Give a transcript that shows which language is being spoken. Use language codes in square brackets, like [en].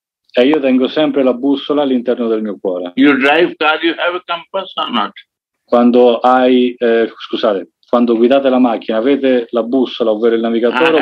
[it] E io tengo sempre la bussola all'interno del mio cuore. [en] You drive car, you have a compass or not? [it] Quando hai, scusate, quando guidate la macchina, avete la bussola, ovvero il navigatore,